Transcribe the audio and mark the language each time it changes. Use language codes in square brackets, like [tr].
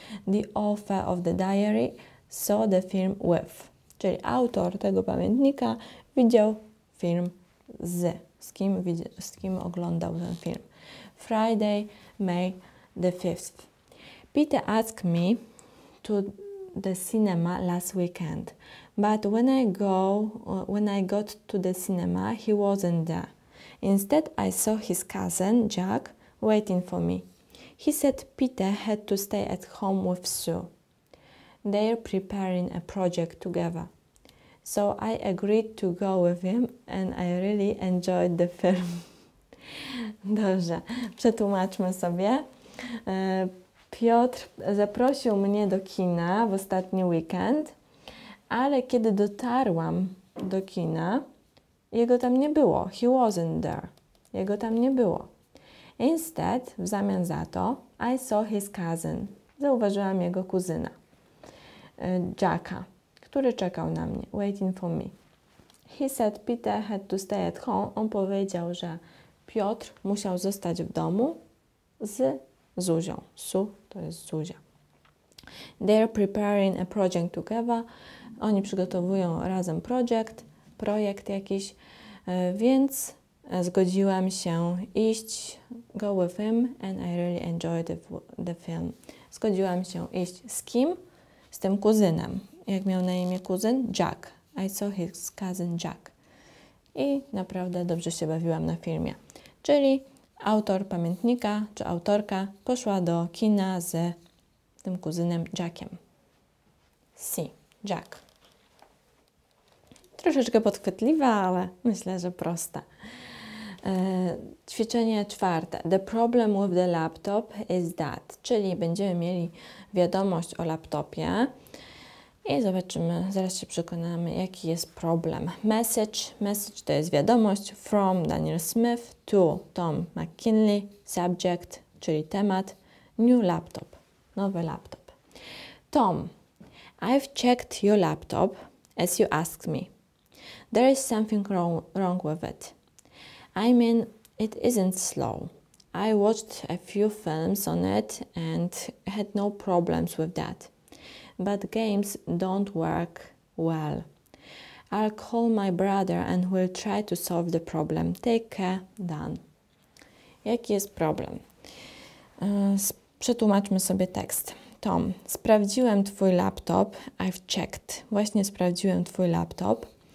[en] The author of the diary saw the film with. [pl] Czyli autor tego pamiętnika widział film z kim oglądał ten film. [en] Friday, May the 5th. Peter asked me to the cinema last weekend. But when I got to the cinema, he wasn't there. Instead, I saw his cousin, Jack, waiting for me. He said Peter had to stay at home with Sue. They're preparing a project together. So I agreed to go with him and I really enjoyed the film. [pl] Dobrze, przetłumaczmy sobie. Piotr zaprosił mnie do kina w ostatni weekend, ale kiedy dotarłam do kina, jego tam nie było. [en] He wasn't there. [pl] Jego tam nie było. [en] Instead, [pl] w zamian za to, [en] I saw his cousin. [pl] Zauważyłam jego kuzyna, Jacka, który czekał na mnie, [en] waiting for me. He said Peter had to stay at home. [pl] On powiedział, że Piotr musiał zostać w domu z Zuzią. Sue to jest Zuzia. [en] They're preparing a project together. [pl] Oni przygotowują razem projekt jakiś, więc... Zgodziłam się iść, [en] go with him and I really enjoyed the film. [pl] zgodziłam się iść z kim? Z tym kuzynem. Jak miał na imię kuzyn? [en] Jack. I saw his cousin Jack. [pl] I naprawdę dobrze się bawiłam na filmie. Czyli autor pamiętnika, czy autorka, poszła do kina z tym kuzynem Jackiem. Si, Jack. Troszeczkę podchwytliwa, ale myślę, że prosta. Ćwiczenie czwarte. [en] The problem with the laptop is that. [pl] Czyli będziemy mieli wiadomość o laptopie. I zobaczymy, zaraz się przekonamy, jaki jest problem. Message. Message to jest wiadomość. [en] From Daniel Smith to Tom McKinley. [pl] Subject, czyli temat. [en] New laptop. [pl] Nowy laptop. [en] Tom, I've checked your laptop as you asked me. There is something wrong with it. I mean, it isn't slow. I watched a few films on it and had no problems with that. But games don't work well. I'll call my brother and we'll try to solve the problem. Take care, [pl] Dan. Jaki jest problem? Przetłumaczmy sobie tekst. Tom, sprawdziłem twój laptop. [en] I've checked. [pl] Właśnie sprawdziłem twój laptop.